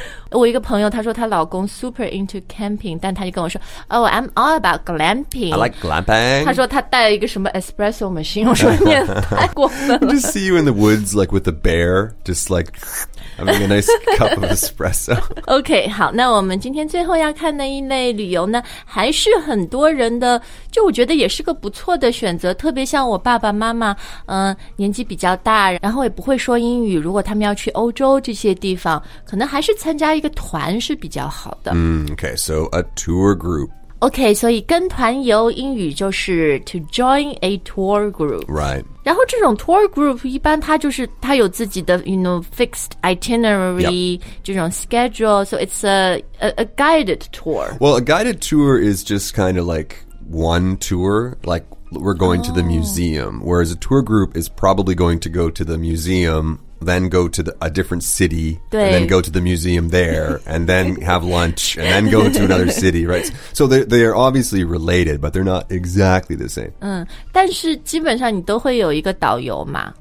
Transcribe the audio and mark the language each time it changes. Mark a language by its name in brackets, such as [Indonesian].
[Chinese] 我一个朋友他说他老公 [English] super into camping, [Chinese] 但他就跟我说 [English] Oh, I'm all about glamping. I like glamping. [Chinese] 他说他带了一个什么 espresso machine. 我说你也太过分了。 [English] I just see you in the woods, like with the bear, just like having a nice cup of espresso. [Chinese] OK, 好那我们今天最后要看的一类旅游呢还是很多人的就我觉得也是个不错的选择特别像我爸爸妈妈年纪比较大然后也不会说英语如果他们要去欧洲这些地方可能还是参加一个团是比较好的。 [English] OK, so a tour group. [Chinese] OK, 所以跟团游英语就是 [English] to join a tour group. Right. [Chinese] 然后这种 tour group 一般它就是它有自己的 [English] you know fixed itinerary、 yep. [Chinese] 这种 [English] schedule so it's a guided tour well a guided tour is just kind of like one tour like we're going、oh. to the museum whereas a tour group is probably going to go to the museum then go to a different city and then go to the museum there and then have lunch and then go to another city right so they are obviously related but they're not exactly the same [Chinese] 但是基本上你都会有一个导游嘛